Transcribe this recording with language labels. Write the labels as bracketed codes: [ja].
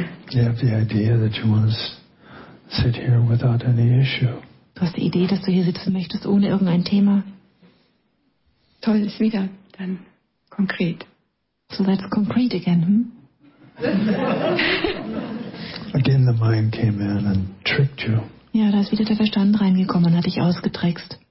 [en] You have the idea that you want to sit here without any issue. [de] Du hast die Idee, dass du hier sitzen möchtest ohne irgendein Thema. Toll, ist wieder dann konkret. [en] So that's concrete again, hm? Again the mind came in and tricked you. [de] Ja, da ist wieder der Verstand reingekommen und hat dich ausgetrickst.